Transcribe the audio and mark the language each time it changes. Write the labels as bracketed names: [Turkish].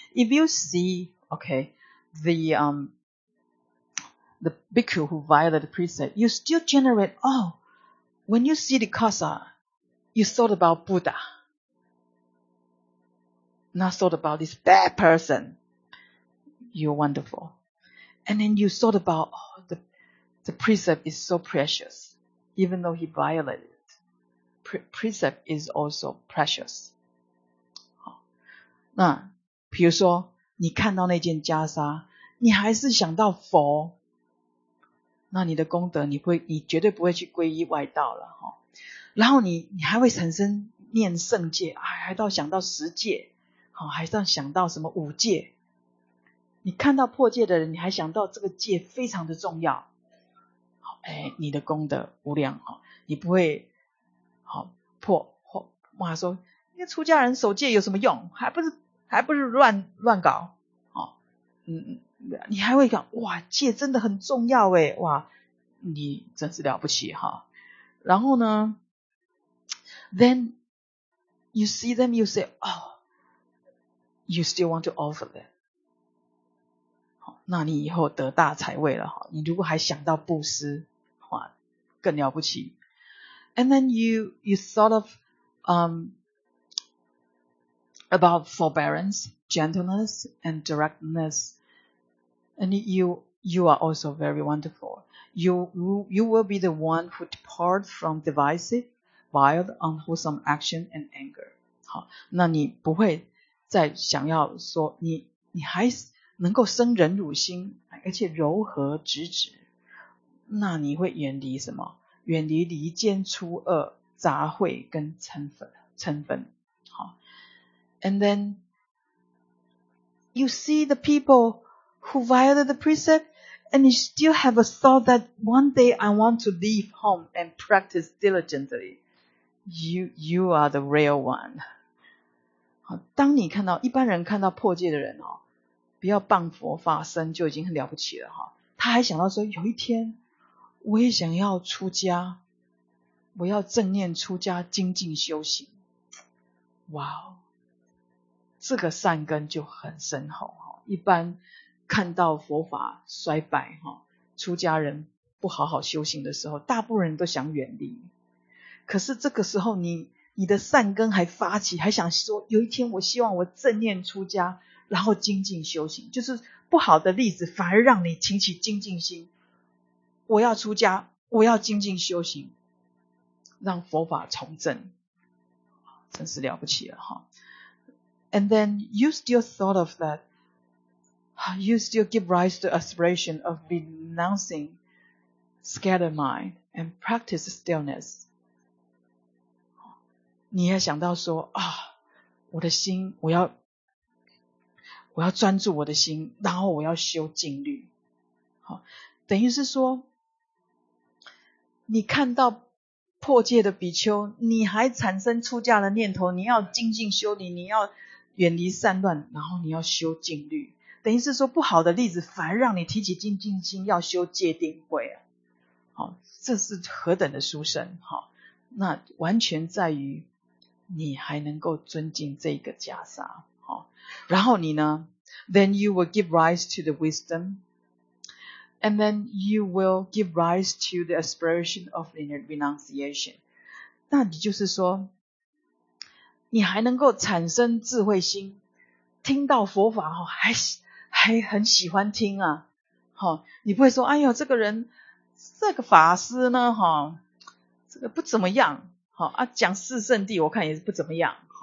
[English] If you see, okay, the bhikkhu who violated the precept, you still generate, oh, when you see the kasa, you thought about Buddha, not thought about this bad person. You're wonderful. And then you thought about, oh, the precept is so precious, even though he violated it. Precept is also precious. [Chinese] 那比如说你看到那件袈裟，你还是想到佛，那你的功德你绝对不会去皈依外道了齁。然后你还会产生念圣戒，还到想到十戒齁，还到想到什么五戒。你看到破戒的人，你还想到这个戒非常的重要。齁，哎，你的功德无量齁，你不会齁破或骂说那个出家人守戒有什么用，还不是乱搞齁。你还会讲哇，戒真的很重要哎，哇，你真是了不起哈。然后呢 [English] ，then you see them, you say, oh, you still want to offer them. [Chinese] 那你以后得大财位了，你如果还想到布施哇更了不起。 [English] And then you thought of about forbearance, gentleness and directness, and you are also very wonderful. You will be the one who depart from divisive, vile, unwholesome action and anger. [Chinese] 好，那你不会再想要说你还能够生忍辱心，而且柔和直直，那你会远离什么？远离离间、粗恶、杂秽跟嗔分。 [English] 好 ，and then you see the people who violated the precept, and you still have a thought that one day I want to leave home and practice diligently. You are the real one. [Chinese] 好，当你看到一般人看到破戒的人哦。不要谤佛法身就已经很了不起了，他还想到说有一天我也想要出家，我要正念出家精进修行，哇，这个善根就很深厚。一般看到佛法衰败，出家人不好好修行的时候，大部分人都想远离，可是这个时候你的善根还发起，还想说有一天我希望我正念出家然后精进修行，就是不好的例子反而让你起精进心，我要出家，我要精进修行，让佛法重振，真是了不起了。 [English] And then you still thought of that, you still give rise to the aspiration of renouncing scattered mind and practice stillness. [Chinese] 你也想到说啊，我的心我要专注我的心，然后我要修静虑。好，等于是说你看到破戒的比丘，你还产生出家的念头，你要精进修理，你要远离散乱，然后你要修静虑。等于是说不好的例子反而让你提起精进心要修戒定慧。好，这是何等的殊胜。好，那完全在于你还能够尊敬这个袈裟。然后你呢 [English] then you will give rise to the wisdom, and then you will give rise to the aspiration of renunciation. [Chinese] 那你就是说你还能够产生智慧心，听到佛法还很喜欢听啊。你不会说哎呦这个人这个法师呢这个不怎么样啊，讲四圣谛我看也是不怎么样。